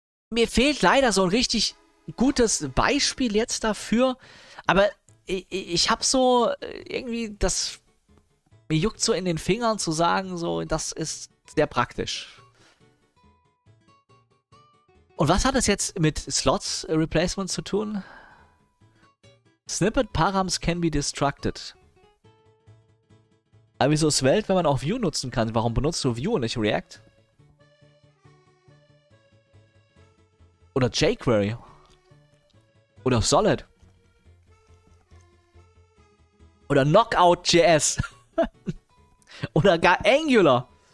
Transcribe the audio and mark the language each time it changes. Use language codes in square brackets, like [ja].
[de] Mir fehlt leider so ein richtig gutes Beispiel jetzt dafür, aber ich habe so irgendwie das, mir juckt so in den Fingern zu sagen, so, das ist sehr praktisch. Und was hat das jetzt mit Slots Replacement zu tun? [en] Snippet Params can be destructed. [de] Aber wieso Svelte, wenn man auch Vue nutzen kann? Warum benutzt du Vue und nicht React? Oder jQuery? Oder Solid? Oder Knockout.js? Oder gar Angular?